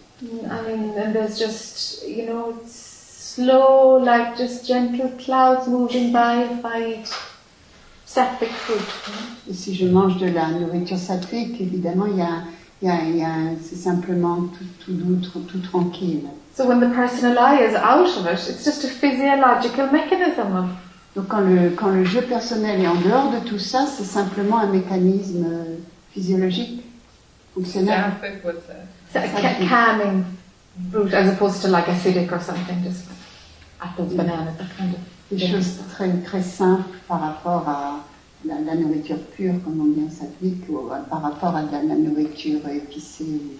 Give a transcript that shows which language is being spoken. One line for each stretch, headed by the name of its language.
English: I mean, and there's just, you know, it's slow, like just gentle clouds moving by if I eat sacred food.
French: Et si je mange de la nourriture sacrée, évidemment, il y a, c'est simplement tout doux, tout tranquille.
English: So when the personality is out of it, it's just a physiological mechanism of.
French: Donc quand le jeu personnel est en dehors de tout ça, c'est simplement un mécanisme physiologique.
English: Calming fruit, as opposed to like acidic or something, just apples, bananas, that kind of.
French: Des choses très très simples par rapport à la nourriture pure, comme on dit en sattvique, ou par rapport à la nourriture épicée.